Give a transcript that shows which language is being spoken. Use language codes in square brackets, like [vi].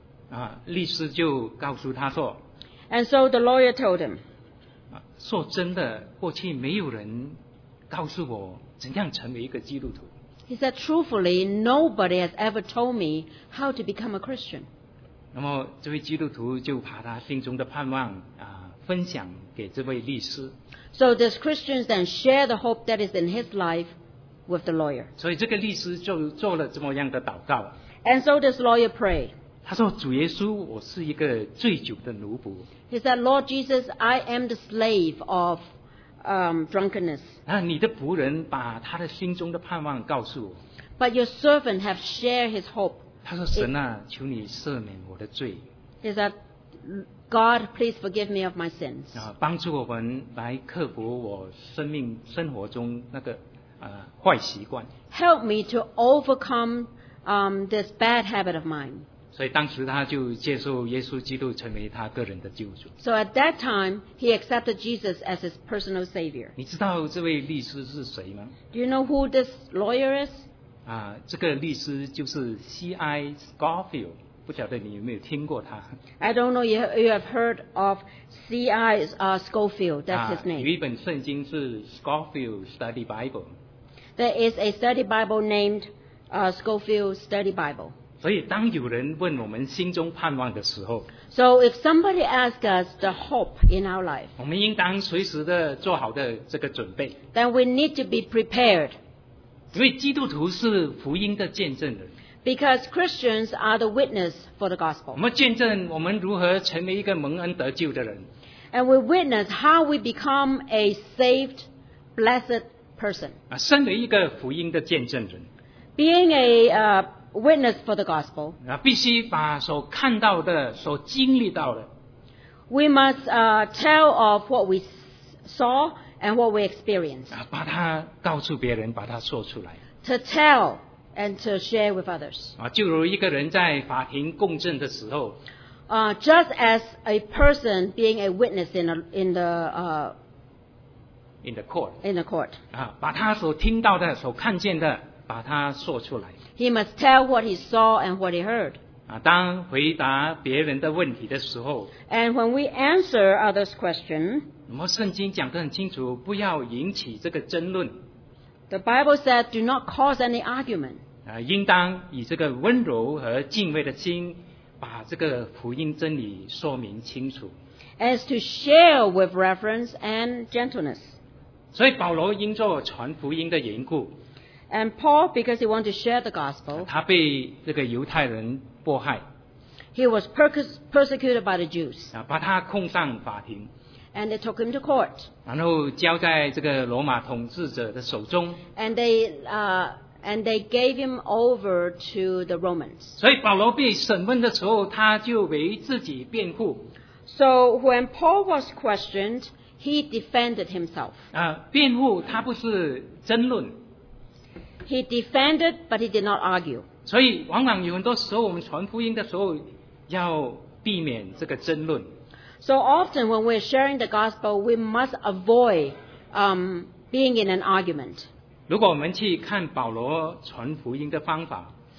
[zh] 啊，律师就告诉他说。 [en] And so the lawyer told him. [zh] 说真的，过去没有人告诉我怎样成为一个基督徒。 [en] He said, truthfully, nobody has ever told me how to become a Christian. [zh] 那么这位基督徒就把他心中的盼望啊分享给这位律师。 [en] So this Christian then shared the hope that is in his life with the lawyer. [zh] 所以这个律师就做了这么样的祷告。 [en] And so this lawyer prayed. [zh] 他说主耶稣我是一个醉酒的奴仆。 [en] He said, Lord Jesus, I am the slave of drunkenness. [zh] 那你的仆人把他的心中的盼望告诉我。 [en] But your servant have shared his hope. [zh] 他说神啊求你赦免我的罪。 [en] He said, God, please forgive me of my sins. [zh] 帮助我们来克服我生命生活中那个坏习惯。 [en] Help me to overcome this bad habit of mine. [zh] 所以当时他就接受耶稣基督成为他个人的救主。 [en] So at that time, he accepted Jesus as his personal savior. [zh] 你知道这位律师是谁吗？ [en] Do you know who this lawyer is? [zh] 这个律师就是 C.I. Scofield。不晓得你有没有听过他。 [en] I don't know if you have heard of C.I. Scofield. That's his name. [zh] 有一本圣经是 Scofield Study Bible. [en] There is a study Bible named Scofield Study Bible. [zh] 所以当有人问我们心中盼望的时候 [en] So if somebody asks us the hope in our life, [zh] 我们应当随时的做好的这个准备 [en] Then we need to be prepared. [zh] 因为基督徒是福音的见证人。 [en] Because Christians are the witness for the gospel. [zh] 我们见证我们如何成为一个蒙恩得救的人。 [en] And we witness how we become a saved, blessed person. [zh] 身为一个福音的见证人。 [en] Being a witness for the gospel. [zh] 必须把所看到的、所经历到的。 [en] We must tell of what we saw and what we experienced. [zh] 把它告诉别人，把它说出来。 [en] To tell. And to share with others. [zh] 就如一个人在法庭供证的时候 [en] just as a person being a witness in the court. [zh] 把他所听到的、所看见的，把他说出来。 [en] He must tell what he saw and what he heard. [zh] 当回答别人的问题的时候 [en] And when we answer others' question, [zh] 那么圣经讲得很清楚，不要引起这个争论。 [en] The Bible said, "Do not cause any argument." [zh] 应当以这个温柔和敬畏的心，把这个福音真理说明清楚。 [en] As to share with reverence and gentleness. [zh] 所以保罗因着传福音的缘故 [en] ，and Paul because he wanted to share the gospel. [zh] 他被这个犹太人迫害 [en] ，he was persecuted by the Jews. [zh] 把他控上法庭。 [en] And they took him to court. [zh] 然后交在这个罗马统治者的手中。 [en] And they gave him over to the Romans. [zh] 所以保罗被审问的时候，他就为自己辩护。 [en] So when Paul was questioned, he defended himself. [zh] 辩护他不是争论。 [en] He defended, but he did not argue. [zh] 所以往往有很多时候，我们传福音的时候要避免这个争论。 [en] So often when we're sharing the gospel, we must avoid being in an argument. [zh] 如果我们去看保罗传福音的方法